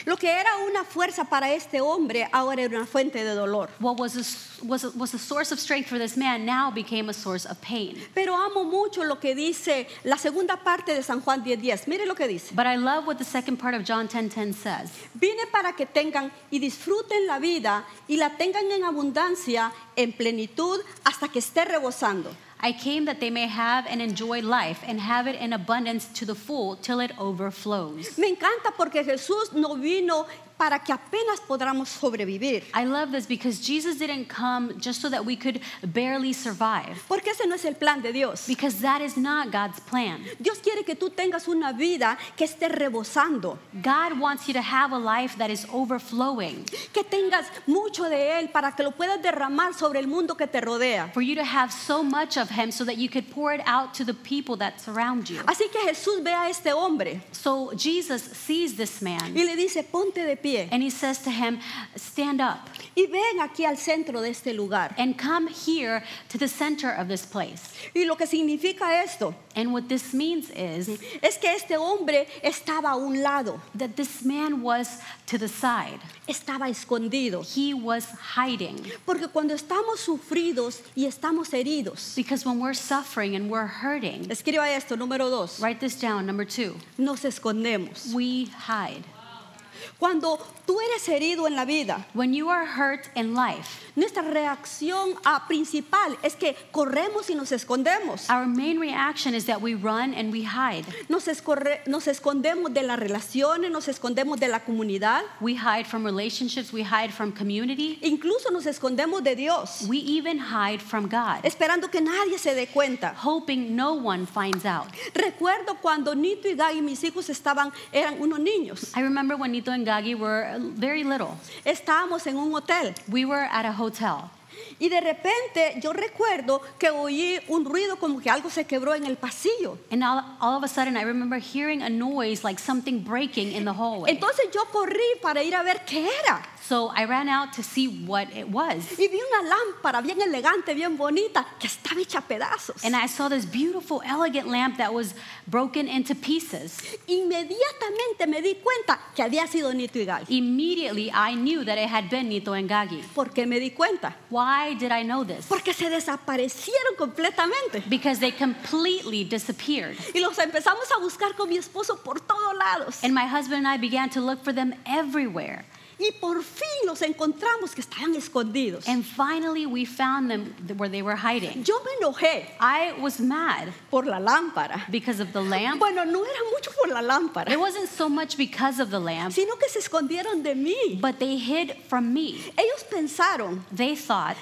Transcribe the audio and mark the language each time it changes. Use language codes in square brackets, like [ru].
[es] Lo que era una fuerza para este hombre ahora era una fuente de dolor. [en] What was a source of strength for this man now became a source of pain. [es] Pero amo mucho lo que dice la segunda parte de San Juan 10:10. Mire lo que dice. [en] But I love what the second part of John 10:10 says. [es] Para que tengan y disfruten la vida y la tengan en abundancia, en plenitud, hasta que esté rebosando. [en] I came that they may have and enjoy life and have it in abundance to the full till it overflows. [es] Me encanta porque Jesús no vino para que apenas podamos sobrevivir. [en] I love this because Jesus didn't come just so that we could barely survive. [es] Porque ese no es el plan de Dios. [en] Because that is not God's plan. [es] Dios quiere que tú tengas una vida que esté rebosando. [en] God wants you to have a life that is overflowing. [es] Que tengas mucho de él para que lo puedas derramar sobre el mundo que te rodea. [en] For you to have so much of him so that you could pour it out to the people that surround you. [es] Así que Jesús ve a este hombre. [en] So Jesus sees this man. [es] Y le dice, ponte de pie. [en] And he says to him, stand up. [es] Y ven aquí al centro de este lugar. [en] And come here to the center of this place. [es] Y lo que significa esto, [en] and what this means is, [es] es que este hombre estaba a un lado. [en] That this man was to the side. [es] Estaba escondido. [en] He was hiding. [es] Porque cuando estamos sufridos y estamos heridos, [en] because when we're suffering and we're hurting, [es] escriba esto, número dos. [en] Write this down, number two. [es] Nos escondemos. [en] We hide. [es] Cuando tú eres herido en la vida, [en] when you are hurt in life, [es] nuestra reacción principal es que corremos y nos escondemos. [en] Our main reaction is that we run and we hide. [es] Nos escondemos de las relaciones, nos escondemos de la comunidad. [en] We hide from relationships, we hide from community. [es] Incluso nos escondemos de Dios. [en] We even hide from God. [es] Esperando que nadie se dé cuenta. [en] Hoping no one finds out. [es] Recuerdo cuando Nito y Gaby, mis hijos, eran unos niños. [en] I remember when Nito and Gaggy were very little. [es] Estábamos en un hotel. [en] We were at a hotel. [es] Y de repente yo recuerdo que oí un ruido como que algo se quebró en el pasillo. [en] And all of a sudden I remember hearing a noise like something breaking in the hallway. [es] Entonces yo corrí para ir a ver qué era. [en] So I ran out to see what it was. [es] Y vi una lámpara bien elegante, bien bonita, que estaba hecha a pedazos. [en] And I saw this beautiful, elegant lamp that was broken into pieces. [es] Inmediatamente me di cuenta que había sido Nito y Gaggy. [en] Immediately I knew that it had been Nito and Gaggy. [es] ¿Por qué me di cuenta? [en] Why did I know this? [es] Porque se desaparecieron completamente. [en] Because they completely disappeared. [es] Y los empezamos a buscar con mi esposo por todos lados. [en] And my husband and I began to look for them everywhere. [es] Y por fin los encontramos que estaban escondidos. [en] And finally we found them where they were hiding. [es] Yo me enojé. [en] I was mad. [es] Por la lámpara. [en] Because of the lamp. [es] Bueno, no era mucho por la lámpara. [en] It wasn't so much because of the lamp. [es] Sino que se escondieron de mí. [en] But they hid from me. [es] Ellos pensaron. [en] They thought.